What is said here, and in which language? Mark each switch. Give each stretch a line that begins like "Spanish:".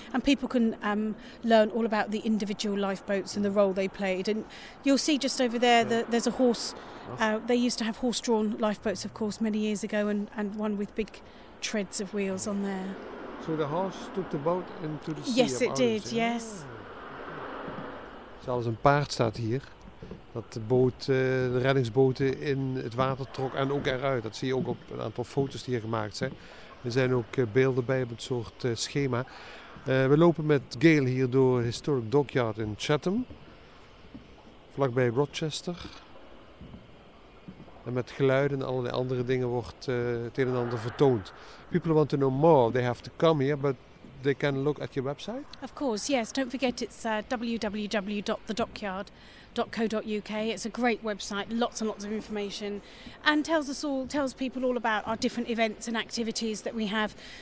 English: And people can learn all about the individual lifeboats and the role they played. And you'll see just over there, there's a horse. They used to have horse-drawn lifeboats, of course, many years ago, and one with big treads of wheels on there. So the horse took the boat into the sea? Yes, it did, yes.
Dutch: Zelfs een paard staat hier. Dat de reddingsboten in het water trok en ook eruit. Dat zie je ook op een aantal foto's die hier gemaakt zijn. Er zijn ook beelden bij op het soort schema. We lopen met Gail hier door Historic Dockyard in Chatham. Vlakbij Rochester. En met geluiden en allerlei andere dingen wordt het een en ander vertoond.
English: People want to know more. They have to come here, but they can look at your website? Of course, yes. Don't forget it's www.thedockyard.co.uk. It's a great website, lots and lots of information, and tells people all about our different events and activities that we have.